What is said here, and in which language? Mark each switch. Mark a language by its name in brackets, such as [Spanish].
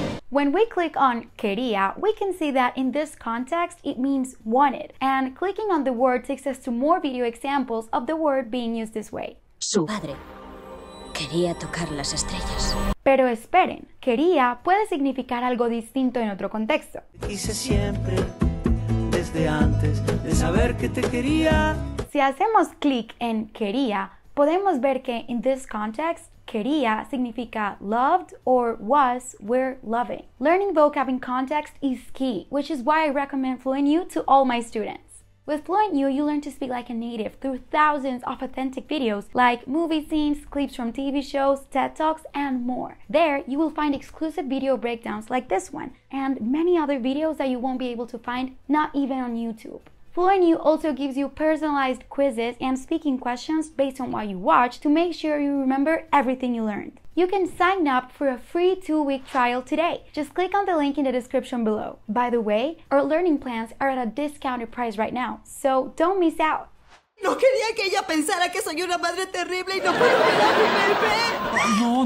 [English] When we click on quería, we can see that in this context, it means wanted. And clicking on the word takes us to more video examples of the word being used this way. [Spanish] Su padre quería tocar las estrellas. Pero esperen, quería puede significar algo distinto en otro contexto. Hice siempre desde antes de saber que te quería. Si hacemos clic en quería, podemos ver que [English] in this context, [Spanish] quería significa [English] loved or was, we're loving. Learning vocab in context is key, which is why I recommend FluentU to all my students. With FluentU, you learn to speak like a native through thousands of authentic videos like movie scenes, clips from TV shows, TED Talks, and more. There, you will find exclusive video breakdowns like this one and many other videos that you won't be able to find, not even on YouTube. FluentU also gives you personalized quizzes and speaking questions based on what you watch to make sure you remember everything you learned. You can sign up for a free 2-week trial today. Just click on the link in the description below. By the way, our learning plans are at a discounted price right now, so don't miss out. [Spanish] No quería que ella pensara que soy una madre terrible y no puedo ver a mi bebé.